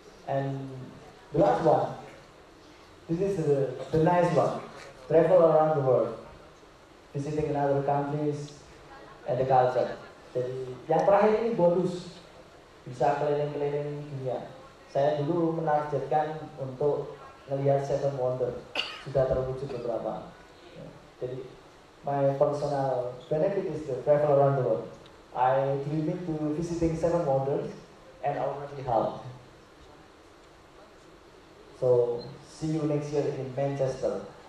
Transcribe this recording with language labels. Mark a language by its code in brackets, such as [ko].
[en] And the last one, this is the nice one. Travel around the world, visiting another countries and the culture. [id] Jadi yang terakhir ini bonus, bisa keliling-keliling dunia. Saya dulu menargetkan untuk melihat Seven Wonder, sudah terwujud beberapa. [en] Jadi my personal benefit is to travel around the world. I dreaming to visiting Seven Wonders. And already helped. So, see you next year in Manchester.